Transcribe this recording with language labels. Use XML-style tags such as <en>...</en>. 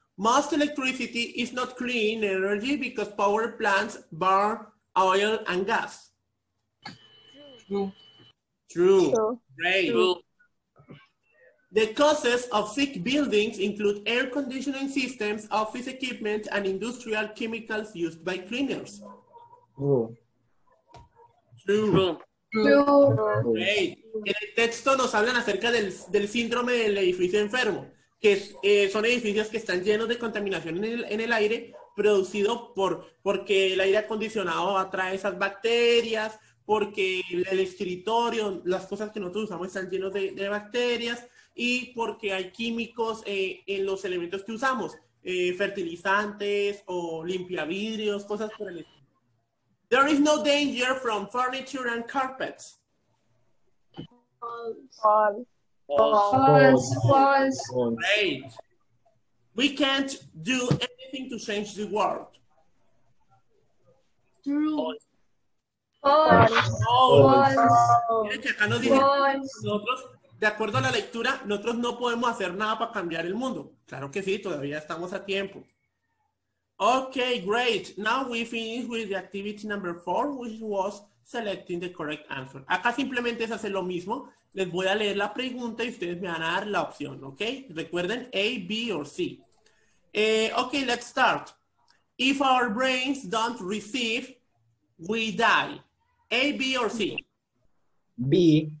<en>Most electricity is not clean energy because power plants burn oil and gas. True. Great. The causes of sick buildings include air conditioning systems, office equipment, and industrial chemicals used by cleaners. True.</en> <es>En el texto nos hablan acerca del síndrome del edificio enfermo, que son edificios que están llenos de contaminación en el aire, producido porque el aire acondicionado atrae esas bacterias, porque el escritorio, las cosas que nosotros usamos están llenos de bacterias, y porque hay químicos en los elementos que usamos, fertilizantes o limpiavidrios, cosas por el estilo.</es> <en>There is no danger from furniture and carpets. False. Great. We can't do anything to change the world. False.</en> <es>De acuerdo a la lectura, nosotros no podemos hacer nada para cambiar el mundo. Claro que sí, todavía estamos a tiempo.</es> <en>Okay, great. Now we finish with the activity number 4, which was selecting the correct answer.</en> <es>Acá simplemente es hacer lo mismo. Les voy a leer la pregunta y ustedes me van a dar la opción, ¿ok? Recuerden, A, B o C.</es> <en>Ok, let's start. If our brains don't receive, we die.</en> <es>A, B o C. B.</es>